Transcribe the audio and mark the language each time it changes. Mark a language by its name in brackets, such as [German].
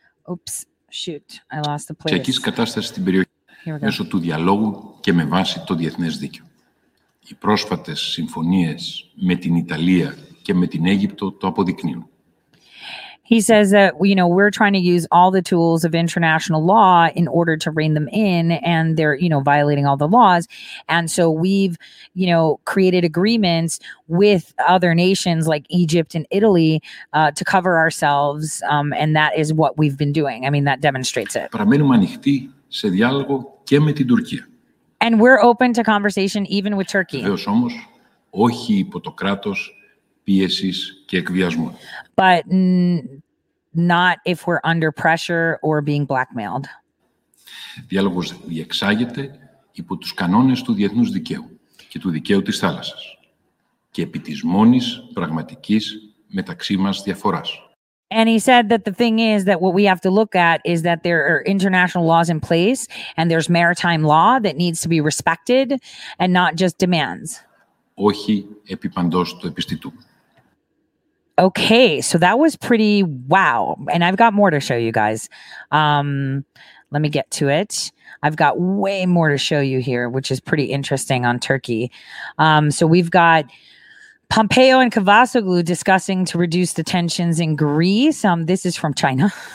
[English] Oops. Shoot, I lost the place. [Greek] Τσεκής κατάσταση στην περιοχή μέσω του διαλόγου και με βάση το διεθνές δίκαιο. Οι πρόσφατες συμφωνίες με την Ιταλία και με την Αίγυπτο το αποδεικνύουν. [English] He says that, you know, we're trying to use all the tools of international law in order to rein them in, and they're, you know, violating all the laws. And so we've, you know, created agreements with other nations like Egypt and Italy to cover ourselves, and that is what we've been doing. I mean, that demonstrates it. [Greek] Παραμένουμε ανοιχτοί σε διάλογο και με την Τουρκία. [English] And we're open to conversation even with Turkey. [Greek] Βεβαίως όμως, όχι υπό το κράτος πίεσης και εκβιασμού. [English] But not if we're under pressure or being blackmailed. [Greek] Διάλογος διεξάγεται υπό τους κανόνες του διεθνούς δικαίου και του δικαίου της θάλασσας και επί της μόνης πραγματικής μεταξύ μας διαφοράς. [English] And he said that the thing is that what we have to look at is that there are international laws in place and there's maritime law that needs to be respected and not just demands. [Greek] Όχι επί παντός του επιστητού. [English] Okay, so that was pretty wow. And I've got more to show you guys. Let me get to it. I've got way more to show you here, which is pretty interesting on Turkey. So we've got Pompeo and Cavusoglu discussing to reduce the tensions in Greece. This is from China.